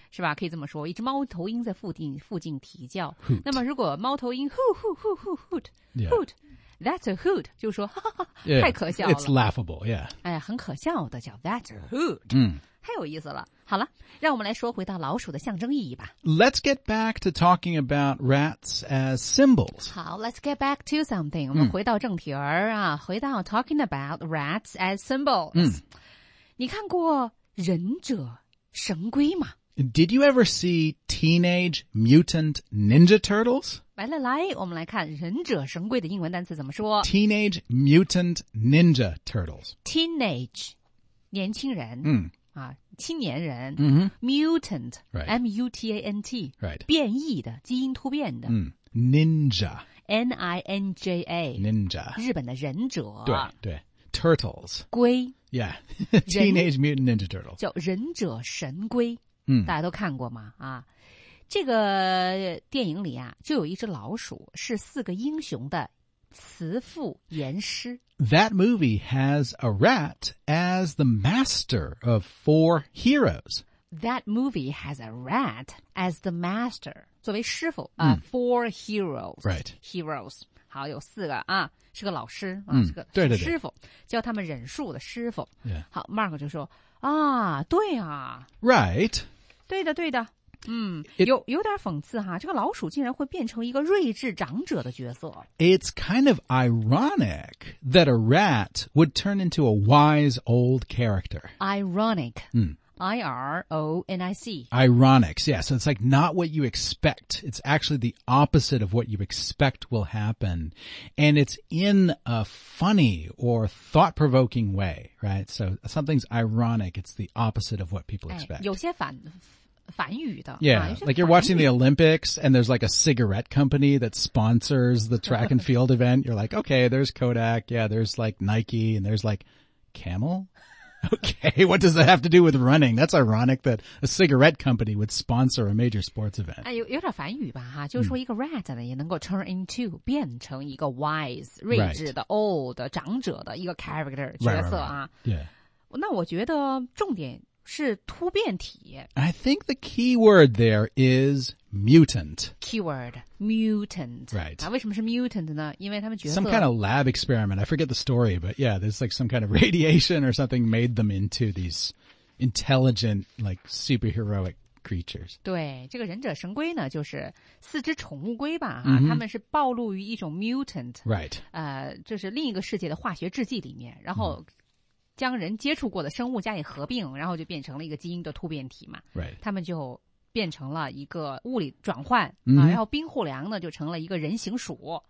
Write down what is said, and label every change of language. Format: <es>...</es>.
<zh>是吧可以这么说一只猫头鹰在附近啼叫。</zh> <en>Hoot.</en> <zh>那么如果猫头鹰</zh> <en>hoot, hoot, hoot, hoot, hoot,、 yeah. hoot. That's a hoot,</en> <zh>就说哈哈</zh> <en>yeah,</en> <zh>太可笑了。</zh> <en>It's laughable, yeah.</en> <zh>哎呀很可笑的叫</zh> <en>that's a hoot.</en> <zh>太有意思了。好了让我们来说回到老鼠的象征意义吧。</zh> <en>Let's get back to talking about rats as symbols.</en> <zh>好</zh> <en>let's get back to something.</en> <zh>我们回到正题儿啊回到</zh> <en>talking about rats as symbols.、</en> <zh>你看过忍者神龟吗</zh> <en>Did you ever see Teenage Mutant Ninja Turtles?</en> <zh>来来来我们来看忍者神龟的英文单词怎么说</zh> <en>Teenage Mutant Ninja Turtles</en> <zh>Teenage 年轻人、青年人、Mutant、</zh> <en>right. M-U-T-A-N-T、 right.</en> <zh>变异的基因突变的、</zh> <en>Ninja N-I-N-J-A Ninja</en> <zh>日本的忍者对 Turtles 龟</zh> <en>Yeah Teenage Mutant Ninja Turtles</en> <zh>叫忍者神龟、大家都看过吗啊这个电影里啊就有一只老鼠是四个英雄的慈父严师。</zh> <en>That movie has a rat as the master of four heroes. That movie has a rat as the master.</en> <zh>作为师父、</zh> <en>four heroes. Right.</en> <zh>Heroes. 好，有四个啊，是个老师啊、是个对对对师父，教他们忍术的师父。</zh> <en>Yeah.</en> <zh>好 ，Mark 就说啊，对啊</zh> <en>，Right.</en> <zh>对的，对的。有点讽刺哈，这个老鼠竟然会变成一个睿智长者的角色。</zh> <en>It's kind of ironic that a rat would turn into a wise old character. Ironic. I-R-O-N-I-C. Ironic, yeah. So it's like not what you expect. It's actually the opposite of what you expect will happen. And it's in a funny or thought-provoking way, right? So something's ironic. It's the opposite of what people expect.</en> <zh>有些反语的</zh> <en>yeah, like you're watching the Olympics and there's like a cigarette company that sponsors the track and field event. You're like, okay, there's Kodak. Yeah, there's like Nike and there's like Camel. Okay, what does that have to do with running? That's ironic that a cigarette company would sponsor a major sports event.</en> <zh>有点反语吧哈，就是说一个 rat 呢也能够 turn into 变成一个 wise 睿智的 old 长者的一个 character 角色啊。</zh> <en>Yeah.</en> <zh>那我觉得重点是突变体。</zh> <en>I think the key word there is mutant. Keyword, mutant. Right.</en> <zh>为什么是 mutant 呢？因为他们觉得</zh> <en>some kind of lab experiment. I forget the story, but yeah, there's like some kind of radiation or something made them into these intelligent, like superheroic creatures.</en> <zh>对，这个忍者神龟呢，就是四只宠物龟吧？他们是暴露于一种 mutant.</zh> <en>Right.</en> <zh>就是另一个世界的化学制剂里面，然后。将人接触过的生物加以合并，然后就变成了一个基因的突变体嘛。</zh> <en>Right.</en> <zh>他们就变成了一个物理转换、然后冰火凉呢就成了一个人形鼠。</zh>